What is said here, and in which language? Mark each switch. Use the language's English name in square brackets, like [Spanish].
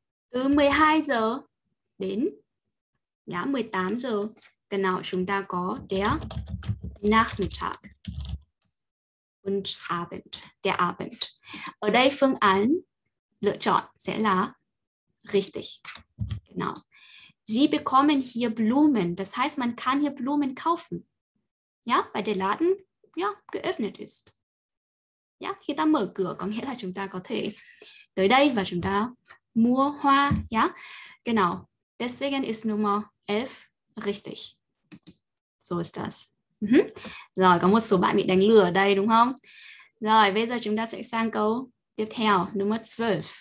[Vietnamese] Từ 12 giờ đến 18 giờ, cái nào chúng ta có [German] Nachmittag und Abend, der Abend. [Vietnamese] Ở đây phương án lựa chọn sẽ là [German] Richtig, genau. Sie bekommen hier Blumen. Das heißt, man kann hier Blumen kaufen. Ja, weil der Laden ja geöffnet ist. [Vietnamese] Ja, khi ta mở cửa có nghĩa là chúng ta có thể tới đây và chúng ta mua hoa. [German] Ja, genau. Deswegen ist Nummer 11 richtig. So ist das. [Vietnamese] Rồi, có một số bạn bị đánh lừa ở đây, đúng không? Rồi, bây giờ chúng ta sẽ sang câu tiếp theo, [German] Nummer 12.